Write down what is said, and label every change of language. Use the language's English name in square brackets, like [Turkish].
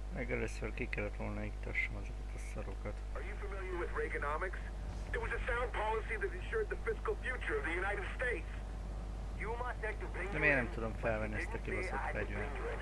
[Hungarian] Először ki kellett volna iktassam azokat a szarokat. [English] Are you familiar with Reaganomics? It was a sound policy that ensured the fiscal future of the United States. You must have to bring [Hungarian] De miért nem tudom felvenni ezt a kibaszott fegyvert?